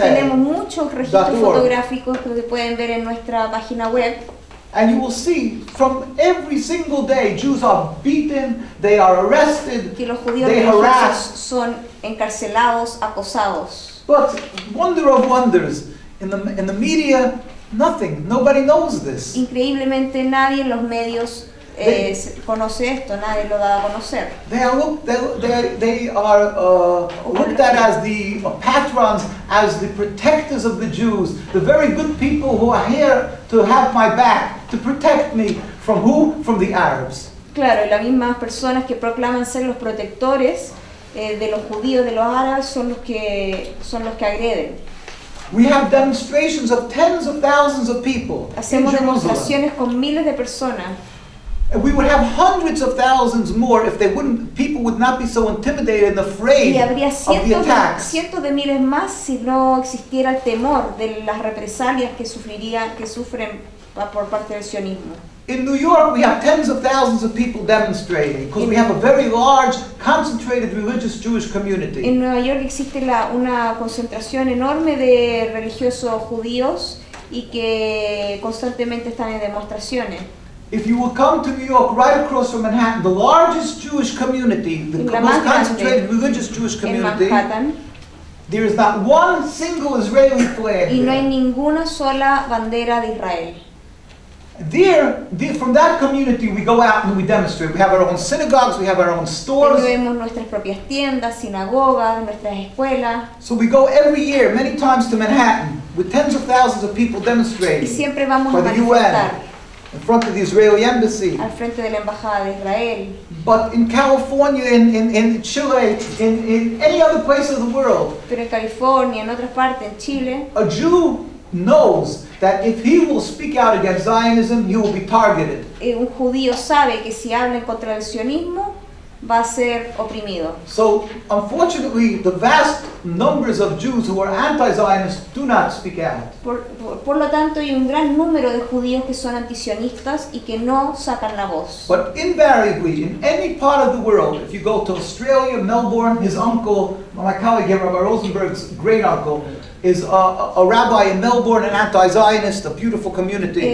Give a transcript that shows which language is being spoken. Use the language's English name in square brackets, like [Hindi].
[Spanish] Tenemos muchos registros fotográficos que pueden ver en nuestra página web. [English] And you will see from every single day Jews are beaten, they are arrested, [Spanish] que los judíos [English] they harassed. [Spanish] Son encarcelados, acosados. [English] But wonder of wonders, in the media, nothing. Nobody knows this. [Spanish] Increíblemente, nadie en los medios conoce esto. Nadie lo da a conocer. [English] They are looked at as the patrons, as the protectors of the Jews, the very good people who are here to have my back. To protect me from who? From the Arabs. [Spanish] Claro, las mismas personas que proclaman ser los protectores de los judíos, de los árabes, son los que agreden. [English] We have demonstrations of tens of thousands of people. [Spanish] Hacemos demostraciones con miles de personas. [English] And we would have hundreds of thousands more if people would not be so intimidated and afraid of the attacks. [Spanish] Y habría cientos de miles más si no existiera el temor de las represalias que sufren. Por parte del sionismo. [English] In New York, we have tens of thousands of people demonstrating because we have a very large, concentrated religious Jewish community. [Spanish] En Nueva York existe una concentración enorme de religiosos judíos y que constantemente están en demostraciones. [English] If you will come to New York, right across from Manhattan, the largest Jewish community, the most concentrated religious Jewish community. [Spanish] En Manhattan. [English] There is not one single Israeli flag. [Spanish] Y no hay ninguna sola bandera de Israel. [English] There, from that community, we go out and we demonstrate. We have our own synagogues, we have our own stores. [Spanish] Tenemos nuestras propias tiendas, sinagogas, nuestras escuelas. [English] So we go every year, many times to Manhattan, with tens of thousands of people demonstrating. [Spanish] Y siempre vamos [English] for [Spanish] manifestar. [English] UN, in front of the Israeli embassy. [Spanish] Al frente de la embajada de Israel. [English] But in California, in Chile, in any other place of the world. [Spanish] Pero en California, en otras partes, en Chile. [English] A Jew knows that if he will speak out against Zionism, he will be targeted. [Spanish] Un judío sabe que si habla en contra del sionismo, va a ser oprimido. [English] So, unfortunately, the vast numbers of Jews who are anti-Zionists do not speak out. [Spanish] Por lo tanto, hay un gran número de judíos que son antisionistas y que no sacan la voz. [English] But invariably, in any part of the world, if you go to Australia, Melbourne, his uncle, my colleague here, Rabbi Rosenberg's great uncle, is a rabbi in Melbourne, an anti-Zionist, a beautiful community.